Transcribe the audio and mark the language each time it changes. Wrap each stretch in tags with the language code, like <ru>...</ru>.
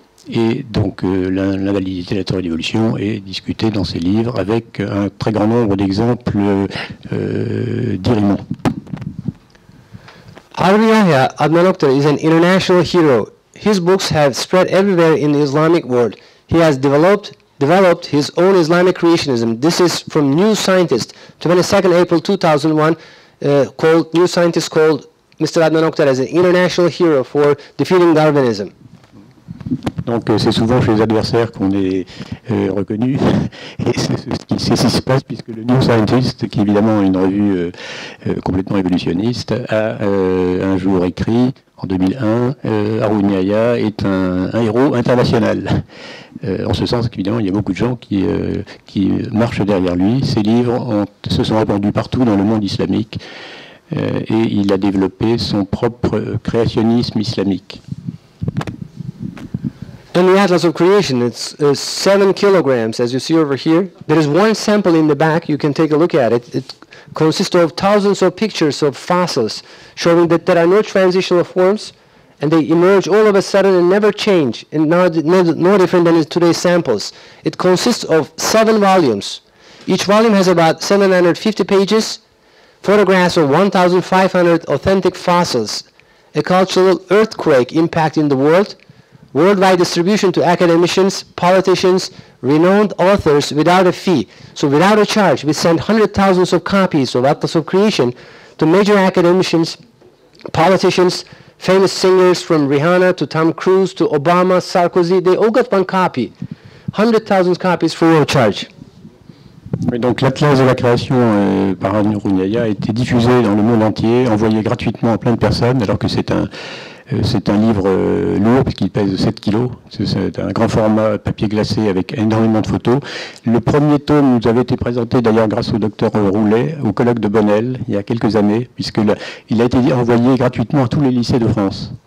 <fr>Et donc l'invalidité de la théorie de l'évolution est discutée dans ces livres avec un très grand nombre d'exemples d'irriments.</fr> <en>Harun Yahya Adnan Oktar is an international hero. His books have spread everywhere in the Islamic world. He has developed his own Islamic creationism. This is from New Scientist, 22nd April 2001, called New Scientist called Mr. Adnan Oktar as an international hero for defeating Darwinism.</en> <fr>Donc c'est souvent chez les adversaires qu'on est reconnu, et c'est ce qui se passe, puisque le New Scientist, qui est évidemment une revue complètement évolutionniste, a un jour écrit, en 2001, Harun Yahya est un héros international. En ce sens, évidemment, il y a beaucoup de gens qui marchent derrière lui. Ses livres se sont répandus partout dans le monde islamique, et il a développé son propre créationnisme islamique.</fr> <en>in the Atlas of Creation. It's 7 kilograms, as you see over here. There is one sample in the back. You can take a look at it. It consists of thousands of pictures of fossils showing that there are no transitional forms, and they emerge all of a sudden and never change, and no different than today's samples. It consists of 7 volumes. Each volume has about 750 pages, photographs of 1,500 authentic fossils, a cultural earthquake impacting the world, worldwide distribution to academicians, politicians, renowned authors without a fee. So without a charge, we send hundreds of thousands of copies of Atlas of Creation to major academicians, politicians, famous singers from Rihanna to Tom Cruise to Obama, Sarkozy. They all got one copy, 100,000 copies for no charge.</en> <fr>Et donc l'Atlas de la Création par Anu Runyaya a été diffusé dans le monde entier, envoyé gratuitement à plein de personnes, alors que c'est un livre lourd, puisqu'il pèse 7 kilos. C'est un grand format papier glacé avec énormément de photos. Le premier tome nous avait été présenté d'ailleurs grâce au docteur Roulet, au colloque de Bonnel, il y a quelques années, puisqu'il a été envoyé gratuitement à tous les lycées de France.</fr>